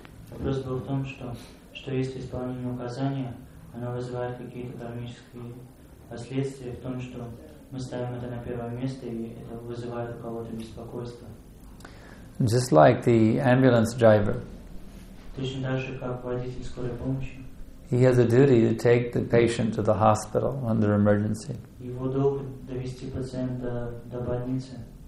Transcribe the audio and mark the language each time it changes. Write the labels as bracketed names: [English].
[Russian] вопрос был в том, что есть исполнение указания, оно вызывает какие-то кармические последствия в том, что мы ставим это на первое место и это вызывает у кого-то беспокойство. [English] Just like the ambulance driver. [Russian] Точно так же, как водитель скорой помощи. [English] He has a duty to take the patient to the hospital under emergency. [Russian] Его долг довести пациента до больницы.